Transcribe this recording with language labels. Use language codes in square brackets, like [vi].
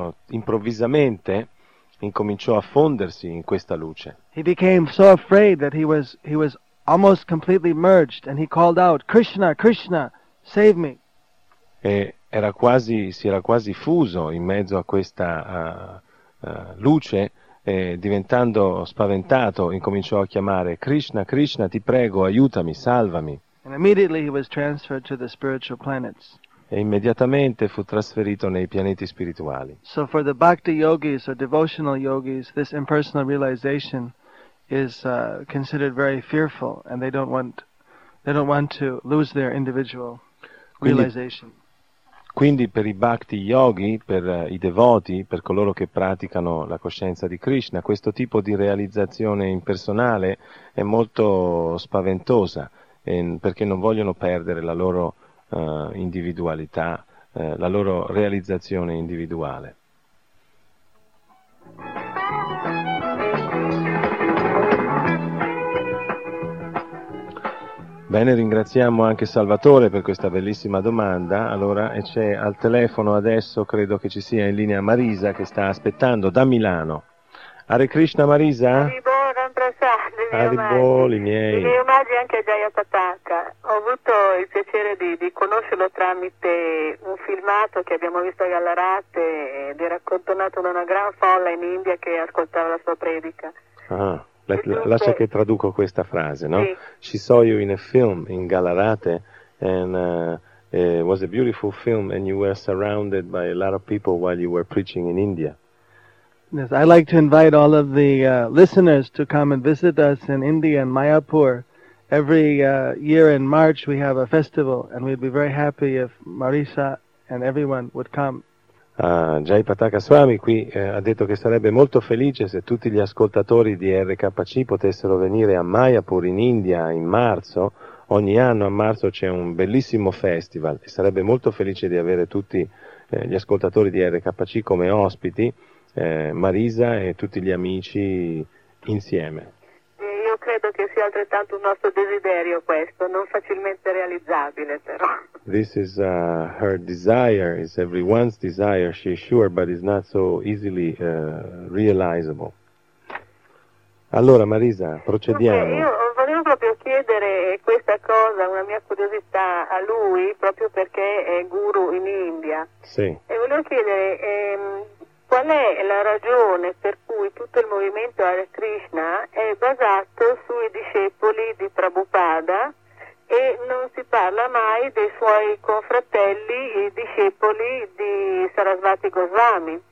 [it] Improvvisamente incominciò a fondersi in questa luce. [en] He became so afraid that he was almost completely merged, and he called out, "Krishna, Krishna, save me." [it] Si era quasi fuso in mezzo a questa luce, e diventando spaventato, incominciò a chiamare, "Krishna, Krishna, ti prego, aiutami, salvami." [en] And immediately he was transferred to the spiritual planets. [it] E immediatamente fu trasferito nei pianeti spirituali. [en] So for the bhakti yogis or devotional yogis, this impersonal realization is considered very fearful, and they don't want to lose their individual realization. [it] Quindi per i bhakti yogi, per i devoti, per coloro che praticano la coscienza di Krishna, questo tipo di realizzazione impersonale è molto spaventosa, perché non vogliono perdere la loro individualità, la loro realizzazione individuale. Bene, ringraziamo anche Salvatore per questa bellissima domanda. Allora, e c'è al telefono adesso, credo che ci sia in linea Marisa che sta aspettando da Milano. Hare Krishna, Marisa. Hare Bol, i miei omaggi anche a Jaya Pataka. Ho avuto il piacere di conoscerlo tramite un filmato che abbiamo visto a Gallarate ed era accompagnato da una gran folla in India che ascoltava la sua predica. Lascia che traduco questa frase, no? Sì. [en] She saw you in a film in Gallarate, and it was a beautiful film, and you were surrounded by a lot of people while you were preaching in India. Yes, I'd like to invite all of the listeners to come and visit us in India, in Mayapur. Every year in March we have a festival, and we'd be very happy if Marisa and everyone would come. [it] Jai Pataka Swami qui ha detto che sarebbe molto felice se tutti gli ascoltatori di RKC potessero venire a Mayapur in India in marzo. Ogni anno a marzo c'è un bellissimo festival e sarebbe molto felice di avere tutti gli ascoltatori di RKC come ospiti, Marisa e tutti gli amici insieme. Io credo che sia altrettanto un nostro desiderio questo, non facilmente realizzabile però. [en] This is her desire, is everyone's desire, she's sure, but it's not so easily realizable. [it] Allora Marisa, procediamo. Okay, io volevo proprio chiedere questa cosa, una mia curiosità a lui, proprio perché è guru in India. Sì. E volevo chiedere qual è la ragione per cui tutto il movimento Hare Krishna è basato sui discepoli di Prabhupada, e non si parla mai dei suoi confratelli e discepoli di Sarasvati Goswami.